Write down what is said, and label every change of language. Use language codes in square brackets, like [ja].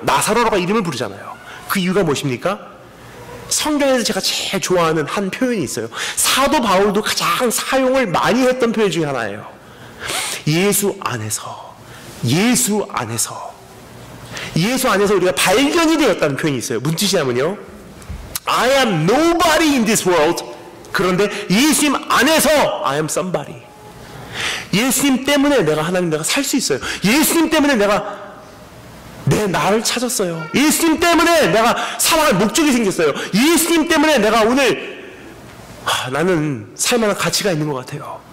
[ko] 나사로라고 이름을 부르잖아요. 그 이유가 무엇입니까? 성경에서 제가 제일 좋아하는 한 표현이 있어요. 사도 바울도 가장 사용을 많이 했던 표현 중에 하나예요. 예수 안에서, 예수 안에서, 예수 안에서 우리가 발견이 되었다는 표현이 있어요. 무슨 뜻이냐면요, [en] I am nobody in this world. [ko] 그런데 예수님 안에서 [en] I am somebody. [ko] 예수님 때문에 내가 하나님 내가 살 수 있어요. 예수님 때문에 내가 내 나를 찾았어요. 예수님 때문에 내가 살아갈 목적이 생겼어요. 예수님 때문에 내가 오늘 나는 살만한 가치가 있는 것 같아요.